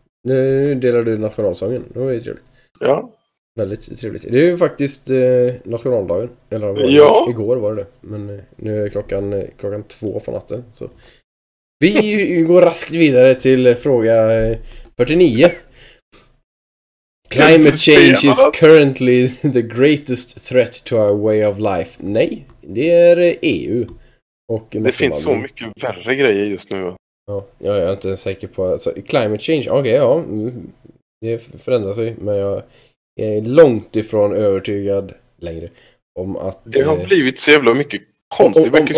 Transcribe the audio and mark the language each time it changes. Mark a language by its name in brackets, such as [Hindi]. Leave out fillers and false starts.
[Swedish] Nu delar du nationalsången. Det var ju trevligt. Ja. Väldigt trevligt. Det är ju faktiskt nationaldagen. Eller ja. Igår var det. Men nu är klockan 2 på natten. Så vi går raskt vidare till fråga 49. [English] Climate change is currently the greatest threat to our way of life. [Swedish] Nej, det är EU. Och det finns så mycket värre grejer just nu. Ja, jag är inte säker på... Alltså, climate change, okej, okay, ja. Det förändrar sig, men jag är långt ifrån övertygad längre om att... Det har blivit så jävla mycket konstigt.